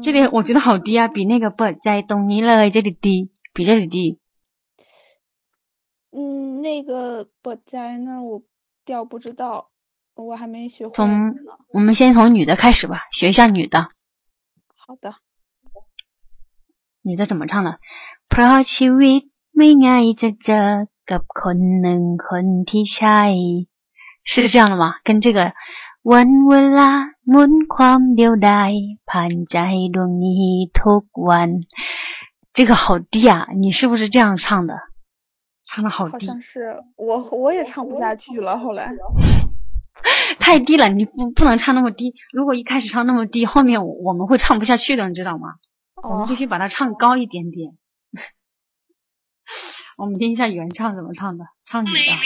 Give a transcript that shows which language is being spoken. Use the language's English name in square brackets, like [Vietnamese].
[Chinese] 这里我觉得好低啊，比那个不在东尼勒这里低，比这里低。嗯，那个不在那儿，我调不知道，我还没学会。从我们先从女的开始吧，学一下女的。好的。女的怎么唱的？ [Thai] เพราะชีวิตไม่ง่ายจะเจอกับคนหนึ่งคนที่ใช่ [Chinese] 是这样的吗？跟这个 [Thai] วันเวลาหมุนความเดียวดายผ่านใจดวงนี้ทุกวัน [Chinese] 这个好低啊，你是不是这样唱的？唱的好低。好像是，我也唱不下去了，后来。太低了，你不能唱那么低。如果一开始唱那么低，后面我们会唱不下去的，你知道吗？哦、我们必须把它唱高一点点。我们听一下原唱怎么唱的，唱女的。